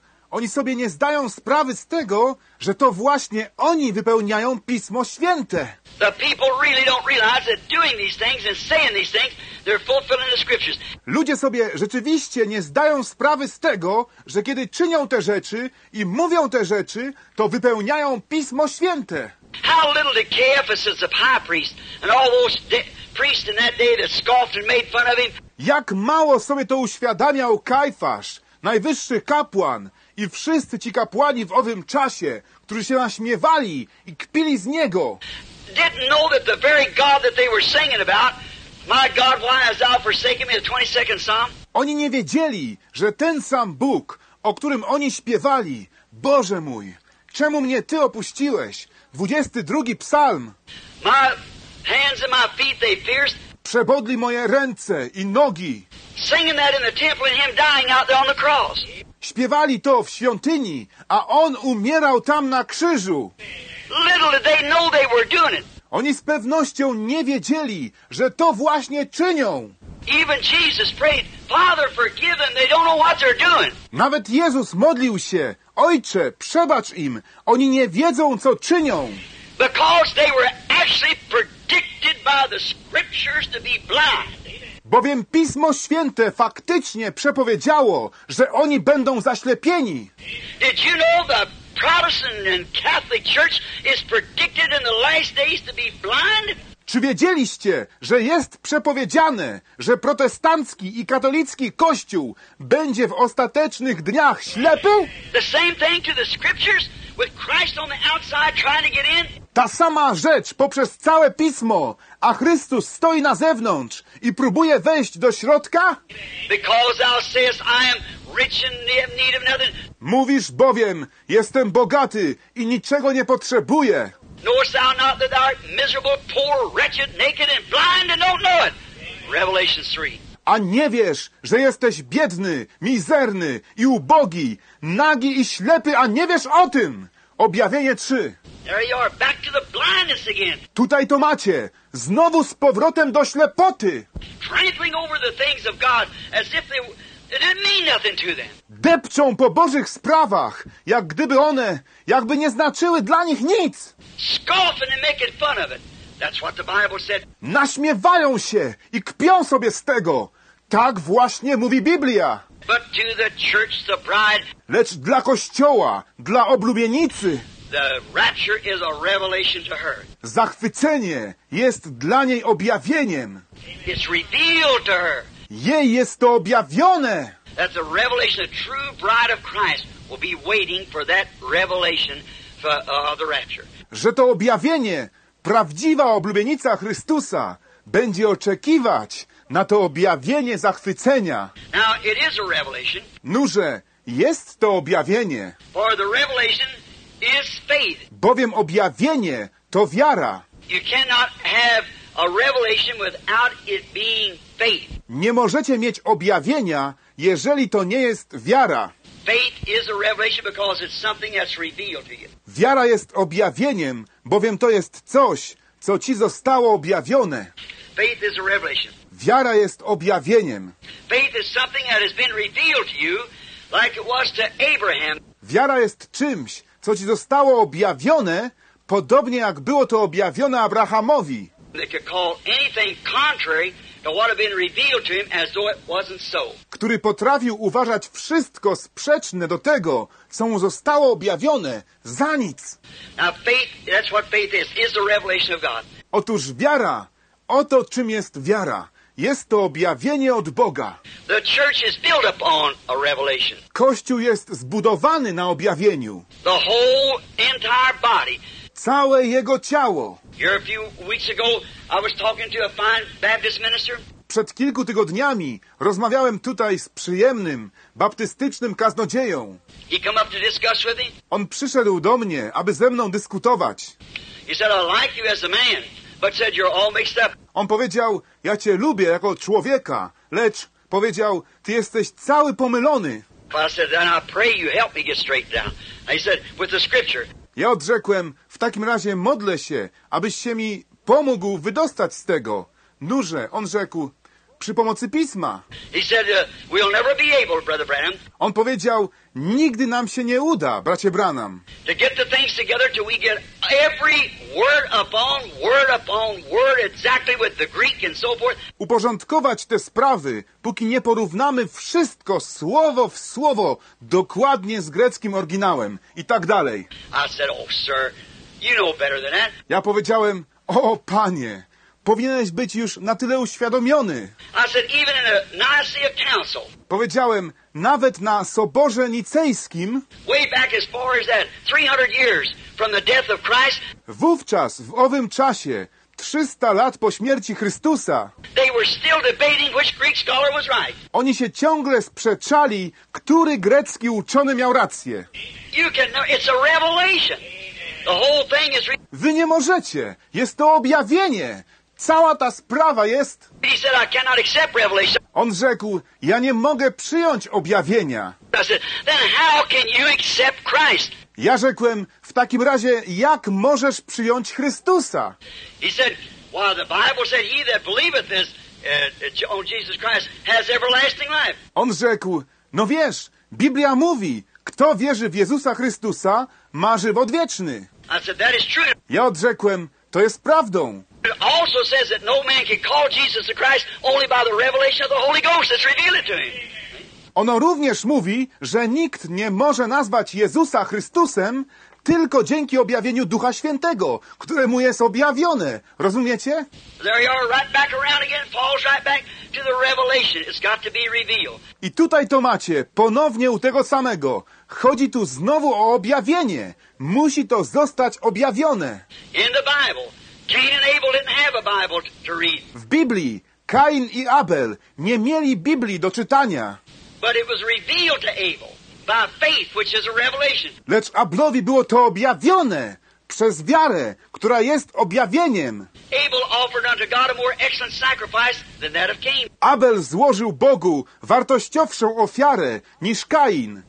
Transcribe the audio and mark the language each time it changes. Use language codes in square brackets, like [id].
[pl] Oni sobie nie zdają sprawy z tego, że to właśnie oni wypełniają Pismo Święte. [en] The people really don't realize that doing these things and saying these things, they're fulfilling the scriptures. [pl] Ludzie sobie rzeczywiście nie zdają sprawy z tego, że kiedy czynią te rzeczy i mówią te rzeczy, to wypełniają Pismo Święte. [en] How little did Caiaphas as the high priest and all those priests in that day that scoffed and made fun of him. [pl] Jak mało sobie to uświadamiał Kajfasz, najwyższy kapłan, i wszyscy ci kapłani w owym czasie, którzy się naśmiewali i kpili z niego. [en] Didn't know that the very God that they were singing about, my God, why has thou forsaken me, the 22nd Psalm? [pl] Oni nie wiedzieli, że ten sam Bóg, o którym oni śpiewali, Boże mój, czemu mnie Ty opuściłeś? 22 psalm. [en] My hands and my feet, they pierced. [pl] Przebodli moje ręce i nogi. [en] Singing that in the temple and him dying out there on the cross. [pl] Śpiewali to w świątyni, a on umierał tam na krzyżu. [en] Little did they know they were doing it. [pl] Oni z pewnością nie wiedzieli, że to właśnie czynią. [en] Even Jesus prayed, Father, forgive them, they don't know what they're doing. [pl] Nawet Jezus modlił się, Ojcze, przebacz im, oni nie wiedzą, co czynią. [en] Because they were actually predicted by the scriptures to be blind. [pl] Bowiem Pismo Święte faktycznie przepowiedziało, że oni będą zaślepieni. [en] Did you know the Protestant and Catholic Church is predicted in the last days to be blind? [pl] Czy wiedzieliście, że jest przepowiedziane, że protestancki i katolicki kościół będzie w ostatecznych dniach ślepy? [en] The same thing to the scriptures with Christ on the outside trying to get in? [pl] Ta sama rzecz poprzez całe Pismo, a Chrystus stoi na zewnątrz i próbuje wejść do środka? [en] Because thou sayest, I am rich and have need of nothing. [pl] Mówisz bowiem, jestem bogaty i niczego nie potrzebuję. [en] Knowest thou not that thou art miserable, poor, wretched, naked and blind and don't know it? Revelation 3. [pl] A nie wiesz, że jesteś biedny, mizerny i ubogi, nagi i ślepy, a nie wiesz o tym? Objawienie 3. [en] There you are, back to the blindness again. [pl] Tutaj to macie. Znowu z powrotem do ślepoty. [en] Trampling over the things of God as if they didn't mean nothing to them. [pl] Depczą po Bożych sprawach, jak gdyby one jakby nie znaczyły dla nich nic. [en] Scoffing and making fun of it. That's what the Bible said. [pl] Naśmiewają się i kpią sobie z tego. Tak właśnie mówi Biblia. [en] But to the church, the bride. [pl] Lecz dla Kościoła, dla oblubienicy. [en] The rapture is a revelation to her. [pl] Zachwycenie jest dla niej objawieniem. [en] It's revealed to her. [pl] Jej jest to objawione. [en] That's a revelation. A true bride of Christ will be waiting for that revelation for the rapture. [pl] Że to objawienie, prawdziwa oblubienica Chrystusa, będzie oczekiwać na to objawienie zachwycenia. [en] Now, it is a revelation. [pl] Nuże, jest to objawienie. [en] For the revelation is faith. [pl] Bowiem objawienie to wiara. [en] You cannot have a revelation without it being faith. [pl] Nie możecie mieć objawienia, jeżeli to nie jest wiara. [en] Faith is a revelation because it's something that's revealed to you. [pl] Wiara jest objawieniem, bowiem to jest coś, co ci zostało objawione. [en] Faith is a revelation. [pl] Wiara jest objawieniem. [en] Faith is something that has been revealed to you, like it was to Abraham. [pl] Wiara jest czymś, co ci zostało objawione, podobnie jak było to objawione Abrahamowi. [en] They could call anything contrary to what had been revealed to him as though it wasn't so. [pl] Który potrafił uważać wszystko sprzeczne do tego, co mu zostało objawione, za nic. [en] Now faith, that's what faith is the revelation of God. [pl] Otóż wiara, oto czym jest wiara. Jest to objawienie od Boga. [en] The church is built upon a revelation. [pl] Kościół jest zbudowany na objawieniu. [en] The whole entire body. [pl] Całe jego ciało. [en] Here a few weeks ago, I was talking to a fine Baptist minister. [pl] Przed kilku tygodniami rozmawiałem tutaj z przyjemnym, baptystycznym kaznodzieją. [en] He come up to discuss with me. [pl] On przyszedł do mnie, aby ze mną dyskutować. [en] He said, I like you as a man, but said you're all mixed up. [pl] On powiedział, ja cię lubię jako człowieka, lecz powiedział, ty jesteś cały pomylony. [en] I said, then I pray you help me get straightened out. He said, with the scripture. [pl] Ja odrzekłem, w takim razie modlę się, abyś się mi pomógł wydostać z tego. Nuże, on rzekł, przy pomocy Pisma. [en] He said, we'll never be able, Brother Branham. [pl] On powiedział, nigdy nam się nie uda, bracie Branham. [en] To get the things together till we get every word upon word upon word exactly with the Greek and so forth. [pl] Uporządkować te sprawy, póki nie porównamy wszystko słowo w słowo dokładnie z greckim oryginałem i tak dalej. [en] I said, oh sir, You know better than that. [pl] Ja powiedziałem, o panie, powinieneś być już na tyle uświadomiony. [en] I said, even in a Nicaea council. [pl] Powiedziałem, nawet na Soborze Nicejskim, [en] way back as far as that, 300 years from the death of Christ, [pl] wówczas, w owym czasie, 300 lat po śmierci Chrystusa, [en] they were still debating which Greek scholar was right. [pl] Oni się ciągle sprzeczali, który grecki uczony miał rację. [en] You can know, it's a revelation. The whole thing is [pl] wy nie możecie, jest to objawienie. Cała ta sprawa jest... [en] He said, I cannot accept revelation. [pl] On rzekł, ja nie mogę przyjąć objawienia. [en] I said, then how can you accept Christ? [pl] Ja rzekłem, w takim razie, jak możesz przyjąć Chrystusa? [en] He said, well, the Bible said, he that believeth this on Jesus Christ has everlasting life. [pl] On rzekł, no wiesz, Biblia mówi, kto wierzy w Jezusa Chrystusa, ma żywot wieczny. [en] I said, that is true. [pl] Ja odrzekłem, to jest prawdą. [en] It also says that no man can call Jesus the Christ only by the revelation of the Holy Ghost that's revealed to him. [pl] Ono również mówi, że nikt nie może nazwać Jezusa Chrystusem tylko dzięki objawieniu Ducha Świętego, które mu jest objawione. Rozumiecie? [en] There you are, right back around again. Paul's right back to the revelation. It's got to be revealed. [pl] I tutaj to macie, ponownie u tego samego. Chodzi tu znowu o objawienie. Musi to zostać objawione. [en] In the Bible, Cain and Abel didn't have a Bible to read. [pl] W Biblii Kain i Abel nie mieli Biblii do czytania. [en] But it was revealed to Abel by faith, which is a revelation. [pl] Lecz Abelowi było to objawione przez wiarę, która jest objawieniem. [en] Abel offered unto God a more excellent sacrifice than that of Cain. [pl] Abel złożył Bogu wartościowszą ofiarę niż Kain.